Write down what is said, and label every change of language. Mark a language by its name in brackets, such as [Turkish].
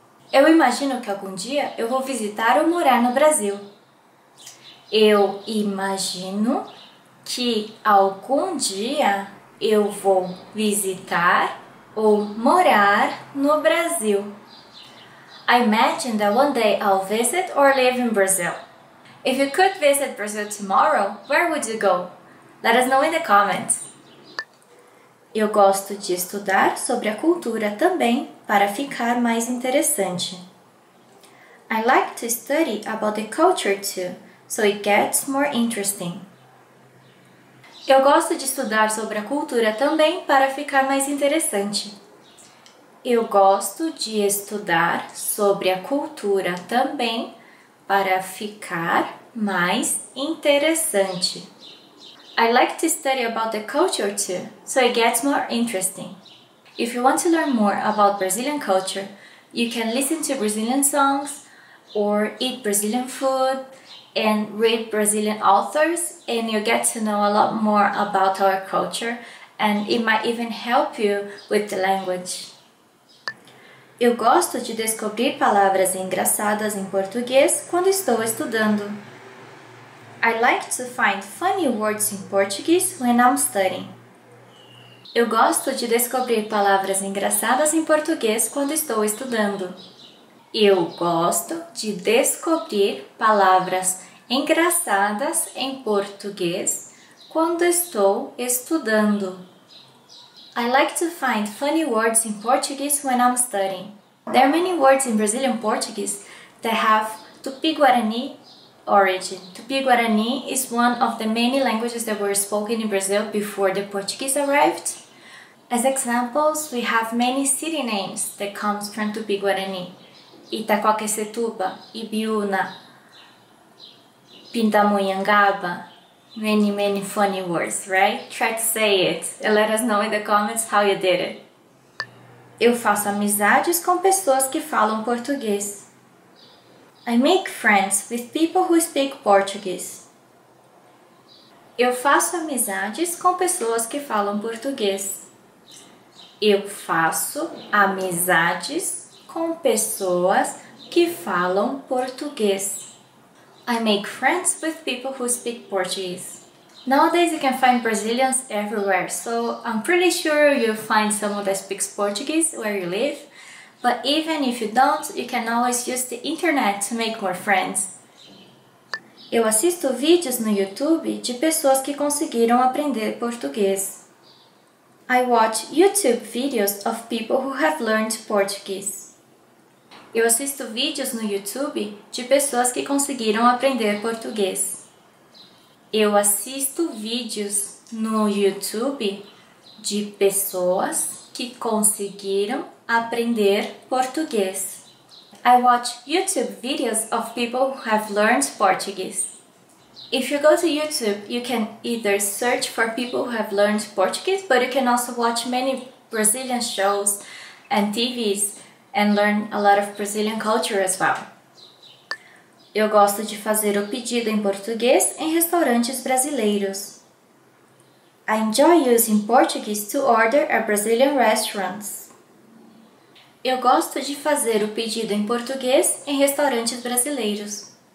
[Portuguese] Eu imagino que algum dia eu vou visitar ou morar no Brasil. Eu imagino que algum dia eu vou visitar ou morar no Brasil. [English] I imagine that one day I'll visit or live in Brazil. If you could visit Brazil tomorrow, where would you go? Let us know in the comments. [Portuguese] Eu gosto de estudar sobre a cultura também para ficar mais interessante. [English] I like to study about the culture too, so it gets more interesting. [Portuguese] Eu gosto de estudar sobre a cultura também para ficar mais interessante. Eu gosto de estudar sobre a cultura também para ficar mais interessante. [English] I like to study about the culture too, so it gets more interesting. If you want to learn more about Brazilian culture, you can listen to Brazilian songs or eat Brazilian food and read Brazilian authors, and you'll get to know a lot more about our culture, and it might even help you with the language. [Portuguese] Eu gosto de descobrir palavras engraçadas em português quando estou estudando. [English] I like to find funny words in Portuguese when I'm studying. [Portuguese] Eu gosto de descobrir palavras engraçadas em português quando estou estudando. Eu gosto de descobrir palavras engraçadas em português quando estou estudando. [English] I like to find funny words in Portuguese when I'm studying. There are many words in Brazilian Portuguese that have Tupi-Guarani origin. Tupi-Guarani is one of the many languages that were spoken in Brazil before the Portuguese arrived. As examples, we have many city names that come from Tupi-Guarani. Itaquaquecetuba, Ibiúna, Pindamonhangaba, many, many funny words, right? Try to say it and let us know in the comments how you did it. [Portuguese] Eu faço amizades com pessoas que falam português. [English] I make friends with people who speak Portuguese. [Portuguese] Eu faço amizades com pessoas que falam português. Eu faço amizades com pessoas que falam português. [English] I make friends with people who speak Portuguese. Nowadays you can find Brazilians everywhere, so I'm pretty sure you'll find someone that speaks Portuguese where you live. But even if you don't, you can always use the internet to make more friends. [Portuguese] Eu assisto vídeos no YouTube de pessoas que conseguiram aprender português. [English] I watch YouTube videos of people who have learned Portuguese. [Portuguese] Eu assisto vídeos no YouTube de pessoas que conseguiram aprender português. Eu assisto vídeos no YouTube de pessoas que conseguiram aprender português. [English] I watch YouTube videos of people who have learned Portuguese. If you go to YouTube, you can either search for people who have learned Portuguese, but you can also watch many Brazilian shows and TVs and learn a lot of Brazilian culture as well. [Portuguese] Eu gosto de fazer o pedido em português em restaurantes brasileiros. [English] I enjoy using Portuguese to order at Brazilian restaurants. [Portuguese] Eu gosto de fazer o pedido em português em restaurantes brasileiros.